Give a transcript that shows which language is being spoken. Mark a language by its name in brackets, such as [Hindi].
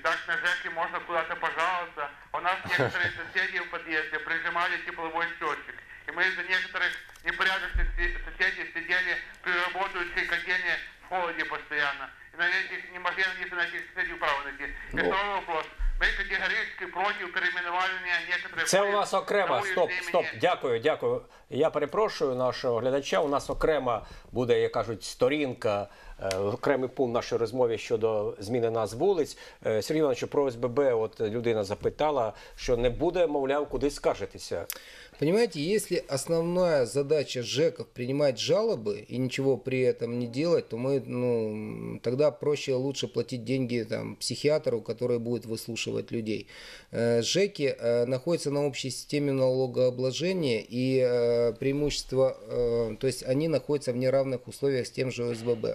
[Russian] Так на ЖЭКи можно куда-то пожаловаться. У нас некоторые соседи в подъезде прижимали тепловой счетчик. И мы из-за некоторых непорядочных соседей сидели при работающей котельной в холоде постоянно. И не могли найти на этих соседей право найти. И второй вопрос. [Ukrainian] Ми категорично проти перейменування некоторих. Це у нас окремо. Стоп. Дякую. Я перепрошую нашого глядача. У нас окремо буде, як кажуть, сторінка, окремий пункт нашої розмови щодо зміни назв вулиць. Сергій Іванович, про ОСББ от людина запитала, що не буде, мовляв, куди скаржитися. [Russian] Понимаете, если основная задача ЖЭКов принимать жалобы и ничего при этом не делать, то мы, ну, тогда проще, лучше платить деньги там психиатру, который будет выслушивать людей. ЖЭКи находятся на общей системе налогообложения, и преимущество, то есть они находятся в неравных условиях с тем же ОСББ.